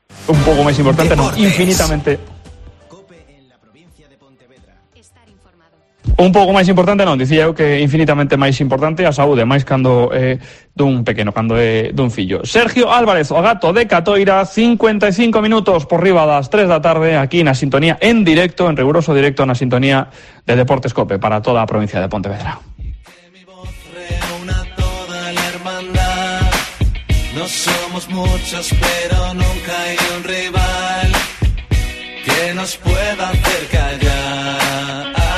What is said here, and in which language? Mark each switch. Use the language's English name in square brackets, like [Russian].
[Spanish] Un poco más importante, no, infinitamente. [Galician] Un pouco máis importante, non, dicía eu que infinitamente máis importante a saúde, máis cando dun pequeno, cando dun fillo. Sergio Álvarez, o gato de Catoira, 55 minutos por riba das 3 da tarde, aquí na sintonía en directo, en riguroso directo na sintonía de Deportes COPE para toda a provincia de Pontevedra. [Spanish] No somos muchos, pero nunca hay un rival que nos pueda hacer callar.